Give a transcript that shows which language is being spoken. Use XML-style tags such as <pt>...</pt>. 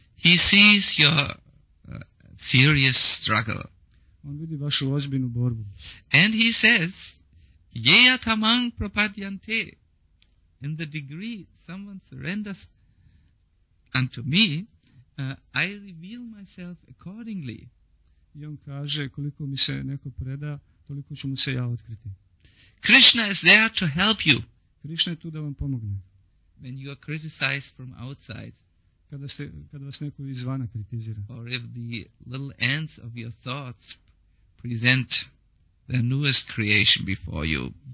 <en>He sees your serious struggle.</en> <hr>On vidi vašu ozbiljnu borbu.</hr> <en>And he says,</en> <sa>yeya tamang prapadyante.</sa> <en>In the degree someone surrenders unto me, I reveal myself accordingly.</en> <hr>I on kaže, koliko mi se neko preda, toliko ću mu se ja otkriti.</hr> <en>Krishna is there to help you.</en> <hr>Krishna je tu da vam pomogne.</hr> <en>When you are criticized from outside,</en> <hr>kada vas neko izvana kritizira.</hr> <en>Or if the little ants of your thoughts present their newest creation before you.</en>